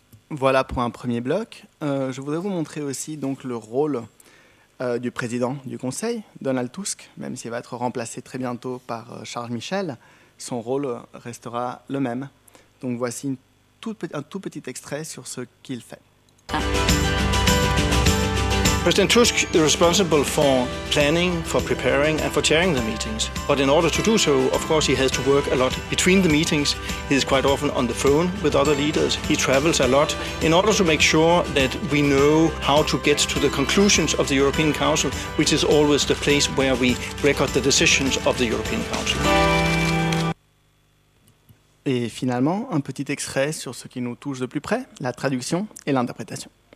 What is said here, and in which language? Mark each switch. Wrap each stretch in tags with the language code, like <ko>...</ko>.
<fr>Voilà pour un premier bloc. Je voudrais vous montrer aussi donc le rôle du président du Conseil, Donald Tusk, même s'il va être remplacé très bientôt par Charles Michel. Son rôle restera le même. Donc voici un tout petit extrait sur ce qu'il fait.</fr> <en>President Tusk is responsible for planning, for preparing and for chairing the meetings. But in order to do so, of course, he has to work a lot between the meetings. He is quite often on the phone with other leaders. He travels a lot in order to make sure that we know how to get to the conclusions of the European Council, which is always the place where we record the decisions of the European Council.</en> <fr>Et finalement, un petit extrait sur ce qui nous touche de plus près, la traduction et l'interprétation.</fr>